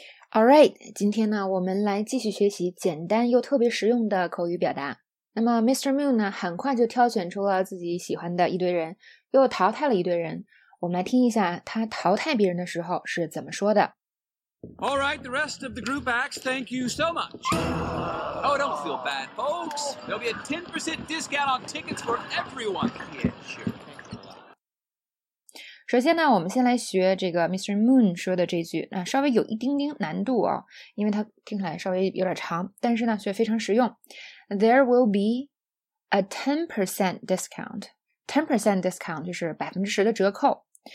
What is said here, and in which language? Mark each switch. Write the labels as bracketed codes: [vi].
[en] All right, [zh] 今天呢，我们来继续学习简单又特别实用的口语表达。那么 Mr. Moon 呢，很快就挑选出了自己喜欢的一堆人，又淘汰了一堆人。我们来听一下他淘汰别人的时候是怎么说的。 [en] All right, the rest of the group acts, thank you so much. Oh, don't feel bad, folks. There'll be a 10% discount on tickets for everyone. Yeah, sure. [zh] 首先呢，我们先来学这个 Mr. Moon 说的这句，那稍微有一丁丁难度哦，因为它听起来稍微有点长，但是呢却非常实用。 [en] There will be a 10% discount. [zh] 10% discount 就是 10% 的折扣。